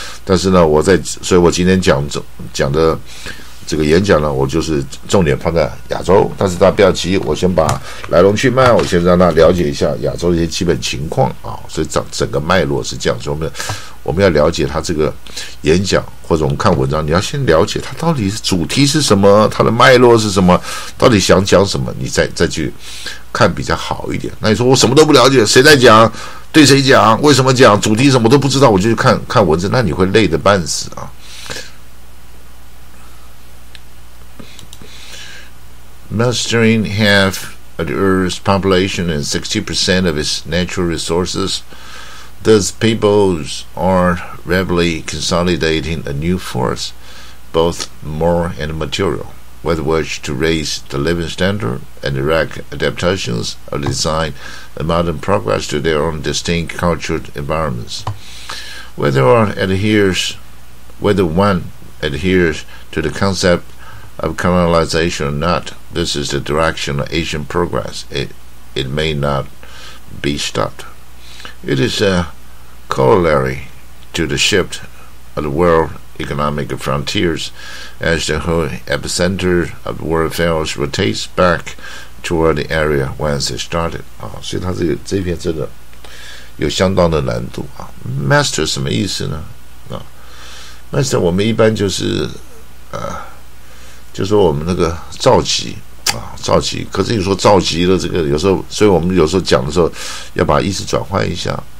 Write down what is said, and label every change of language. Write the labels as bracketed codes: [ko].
[zh] 但是呢，所以我今天讲的这个演讲呢，我就是重点放在亚洲，但是大家不要急，我先把来龙去脉，我先让大家了解一下亚洲的一些基本情况啊，所以整个脉络是这样，所以我们要了解他这个演讲，或者我们看文章，你要先了解他到底主题是什么，他的脉络是什么，到底想讲什么，你再去看比较好一点。那你说我什么都不了解，谁在讲，对谁讲，为什么讲，主题什么都不知道，我就去看看文字，那你会累得半死啊。 [en] Mastering half of the Earth's population and 60% of its natural resources, those peoples are rapidly consolidating a new force, both moral and material, with which to raise the living standard and erect adaptations of design and modern progress to their own distinct cultured environments. Whether one adheres to the concept of colonization or not. This is the direction of Asian progress. It may not be stopped. It is a corollary to the shift of the world economic frontiers as the whole epicenter of world affairs rotates back toward the area whence it started. [zh] 所以他这篇真的有相当的难度。 Master 什么意思呢？ Master 我们一般就是就说我们那个召集召集，可是你说召集了这个有时候，所以我们有时候讲的时候要把意思转换一下。